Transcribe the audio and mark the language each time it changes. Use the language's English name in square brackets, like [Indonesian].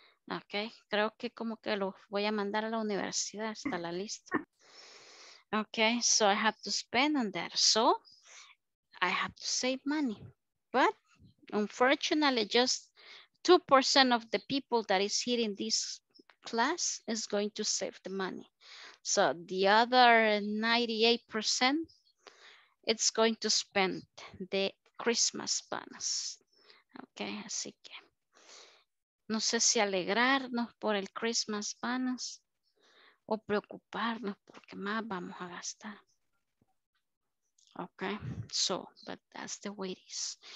[Spanish] Okay, creo que como que lo voy a mandar a la universidad, está la lista. [English] Okay, so I have to spend on that, so I have to save money, but unfortunately just 2% of the people that is here in this class is going to save the money, so the other 98% it's going to spend the Christmas bonus. [Spanish] Okay, así que no sé si alegrarnos por el Christmas bonus o preocuparnos porque más vamos a gastar. [English] Okay, so, but that's the way it is.